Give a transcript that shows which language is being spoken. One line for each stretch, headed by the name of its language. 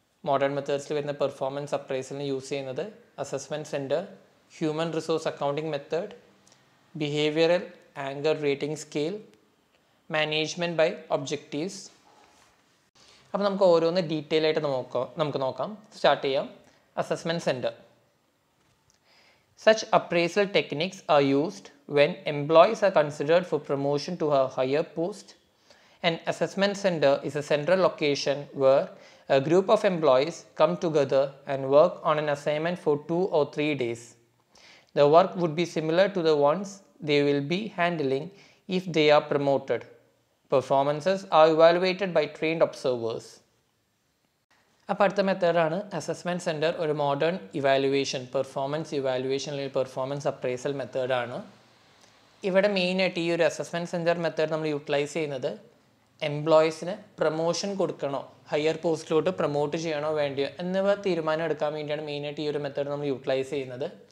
Malayalam: Modern മെത്തേഡ്സിൽ വരുന്ന performance അപ്രൈസലിന് use ചെയ്യുന്നത് assessment centre, human resource accounting method, behavioural anchor rating scale, management by objectives. അപ്പോൾ നമുക്ക് ഓരോന്ന് detail ആയിട്ട് നമുക്ക് നോക്കാം. സ്റ്റാർട്ട് ചെയ്യാം. Assessment centre.
English: Such appraisal techniques are used when employees are considered for promotion to her higher post. An assessment center is a central location where a group of employees come together and work on an assignment for 2 or 3 days. The work would be similar to the ones they will be handling if they are promoted. Performances are evaluated by trained observers.
Malayalam: അപ്പോൾ അടുത്ത മെത്തേഡാണ് assessment centre ഒരു modern evaluation performance evaluation അല്ലെങ്കിൽ performance appraisal മെത്തേഡാണ്. ഇവിടെ മെയിനായിട്ട് ഈ ഒരു അസസ്മെൻറ്റ് സെൻറ്റർ മെത്തേഡ് നമ്മൾ യൂട്ടിലൈസ് ചെയ്യുന്നത് എംപ്ലോയീസിന് പ്രൊമോഷൻ കൊടുക്കണോ, ഹയർ പോസ്റ്റിലോട്ട് പ്രൊമോട്ട് ചെയ്യണോ വേണ്ടിയോ എന്നിവ തീരുമാനം എടുക്കാൻ വേണ്ടിയാണ് മെയിനായിട്ട് ഈ ഒരു മെത്തേഡ് നമ്മൾ യൂട്ടിലൈസ് ചെയ്യുന്നത്.